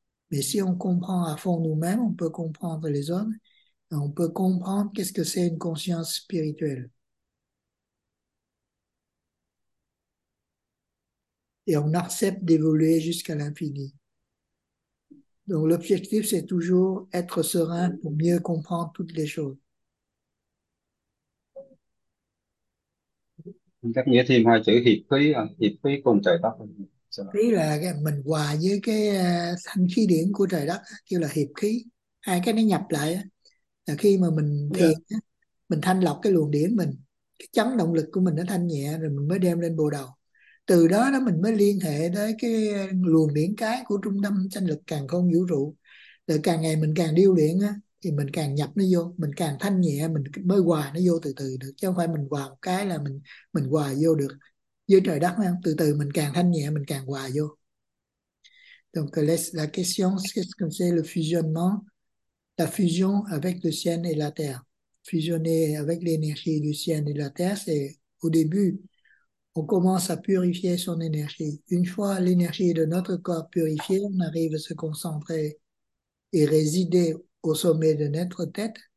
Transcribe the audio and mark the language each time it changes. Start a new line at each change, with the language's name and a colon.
French: Mais si on comprend à fond nous-mêmes, on peut comprendre les autres, on peut comprendre qu'est-ce que c'est une conscience spirituelle. Et on accepte d'évoluer jusqu'à l'infini. Donc l'objectif, c'est toujours être serein pour mieux comprendre toutes les choses.
Vietnamese: Chắc nghĩa thêm hai chữ hiệp khí cùng trời đất sao Ý là mình hòa với cái thanh khí điển của trời đất, kêu là hiệp khí. Hai cái nó nhập lại, là khi mà mình dạ thiền, mình thanh lọc cái luồng điển mình, cái chấn động lực của mình nó thanh nhẹ, rồi mình mới đem lên bồ đầu. Từ đó đó mình mới liên hệ tới cái luồng điển cái của trung tâm sanh lực càn khôn vũ trụ. Rồi càng ngày mình càng điêu luyện á, thì mình càng nhập nó vô, mình càng thanh nhẹ, mình mới hòa nó vô từ từ được, chứ không phải mình hòa một cái là mình hòa vô được. dưới trời đất không? Từ từ mình càng thanh nhẹ mình càng hòa vô.
French: Donc la question c'est ce que c'est le fusionnement, la fusion avec le ciel et la terre. Fusionner avec l'énergie du ciel et de la terre, c'est au début, on commence à purifier son énergie. Une fois l'énergie de notre corps purifiée, on arrive à se concentrer et résider au sommet de notre tête.